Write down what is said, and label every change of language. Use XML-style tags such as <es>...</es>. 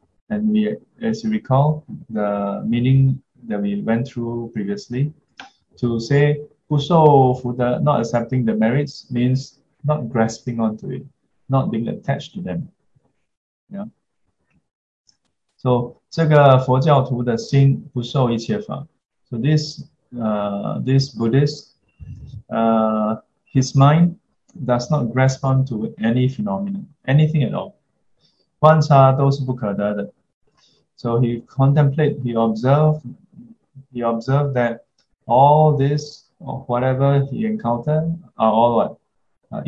<en>And we, as you recall, the meaning that we went through previously, to say</en> <zh>不受福德,</zh> <en>not accepting the merits, means not grasping onto it, not being attached to them. Yeah.</en> <zh>So 这个佛教徒的心不受一切法.</zh> <en>So this Buddhist, his mind does not grasp onto any phenomenon, anything at all.</en> <zh>观察都是不可得的.</zh> <en>So he contemplate, he observed that all this, or whatever he encountered, are all what?</en>